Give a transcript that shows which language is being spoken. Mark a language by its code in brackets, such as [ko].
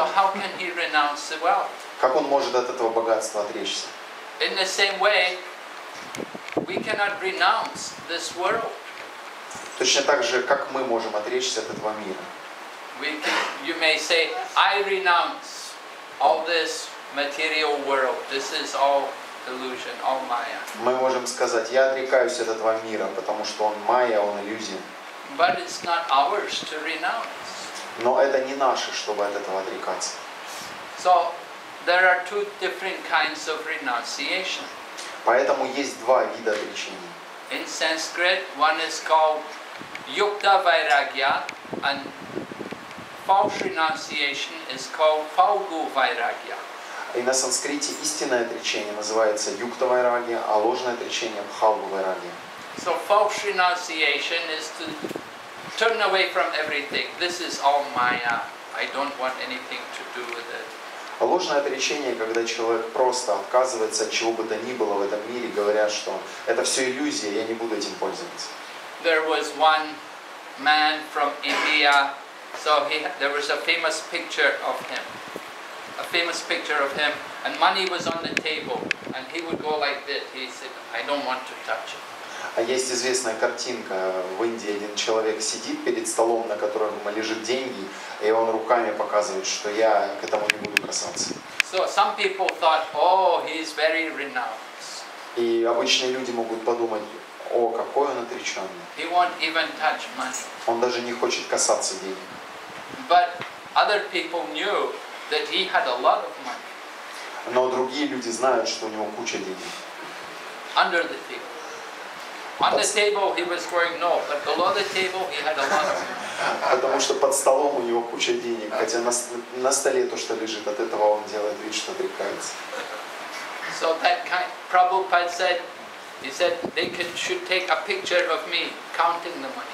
[en] So how can he renounce the wealth? [ru] Как он может от этого богатства отречься? [en] In the same way, we cannot renounce this world. [ru] Точно так же, как мы можем отречься от этого мира. [en] You may say, I renounce all this material world. This is all illusion, all Maya. [ru] Мы можем сказать, я отрекаюсь от этого мира, потому что он Maya, он иллюзия. [en] But it's not ours to renounce. [ru] Но это не наше, чтобы от этого отрекаться. [en] So there are two different kinds of renunciation. [ru] Поэтому есть два вида отречения. [en] In Sanskrit, one is called Yukta Vairagya, and false renunciation is called Falgu Vairagya. [ru] И на санскрите истинное отречение называется Yukta Vairagya, а ложное отречение Falgu Vairagya. [en] So false renunciation is to turn away from everything. This is all Maya. I don't want anything to do with it. [ru] Ложное отречение, когда человек просто отказывается от чего бы то ни было в этом мире, говоря, что это все иллюзия, я не буду этим пользоваться. [en] There was one man from India, so there was a famous picture of him. A famous picture of him, and money was on the table, and he would go like this. He said, I don't want to touch it. [ru] А есть известная картинка в Индии, один человек сидит перед столом, на котором лежат деньги, и он руками показывает, что я к этому не буду касаться. [en] So some people thought, oh, he's very renounced. [ru] И обычные люди могут подумать, о, какой он отреченный. [en] He won't even touch money. [ru] Он даже не хочет касаться денег. [en] But other people knew that he had a lot of money. [ru] Но другие люди знают, что у него куча денег. [en] Under the table. On the table he was growing no, but below the table he had a lot of money. [ru] Потому что под столом у него куча денег, хотя на столе то, что лежит, от этого он делает вид, что отрекается. [en] So that kind, Prabhupada said, he said they should take a picture of me counting the money.